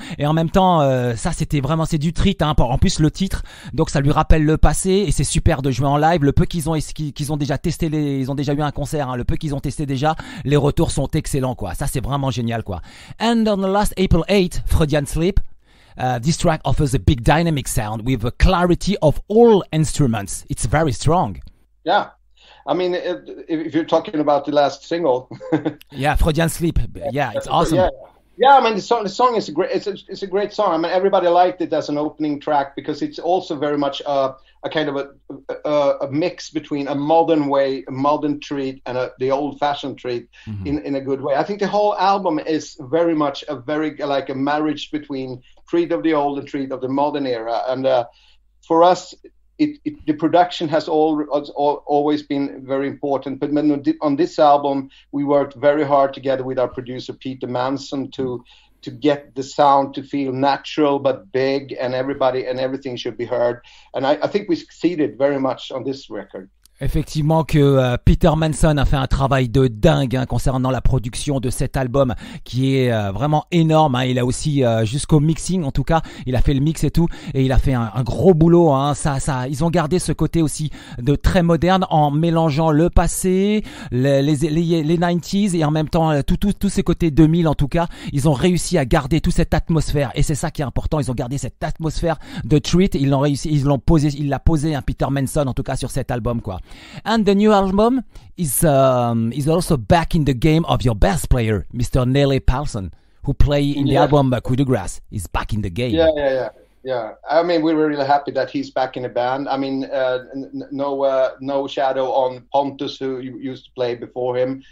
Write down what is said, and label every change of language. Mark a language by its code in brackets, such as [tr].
[fr] Et en même temps, ça c'était vraiment, c'est du Treat, hein, en plus le titre, donc ça lui rappelle le passé, et c'est super de jouer en live. Le peu qu'ils ont déjà testé, les retours sont excellents, quoi. Ça c'est vraiment génial, quoi. [en] And on the last April 8, Freudian Slip. This track offers a big dynamic sound with a clarity of all instruments. It's very strong. Yeah. I mean, if you're talking about the last single. Yeah, Freudian Slip. Yeah, it's awesome. Yeah, Yeah, I mean, the song is a great, it's a great song. I mean, everybody liked it as an opening track because it's also very much a kind of a mix between a modern way, a modern treat, and the old-fashioned treat in a good way. I think the whole album is very much a marriage between treat of the old and treat of the modern era. And for us, the production has always been very important. But on this album, we worked very hard together with our producer, Peter Manson, to get the sound to feel natural but big, and everybody and everything should be heard. And I think we succeeded very much on this record. [fr] Effectivement que Peter Manson a fait un travail de dingue hein, concernant la production de cet album qui est vraiment énorme. Hein. Il a aussi jusqu'au mixing en tout cas, il a fait le mix et tout et il a fait un gros boulot. Hein. Ça, ils ont gardé ce côté aussi de très moderne en mélangeant le passé, les 90s et en même temps tous ces côtés 2000 en tout cas. Ils ont réussi à garder toute cette atmosphère et c'est ça qui est important. Ils ont gardé cette atmosphère de Treat. Il l'a posé, Peter Manson en tout cas sur cet album quoi. [en] And the new album is also back in the game of your bass player, Mr. Nalle Påhlsson, who play in the album Coup de Grâce. He's back in the game. Yeah. I mean, we were really happy that he's back in the band. I mean, no shadow on Pontus, who used to play before him.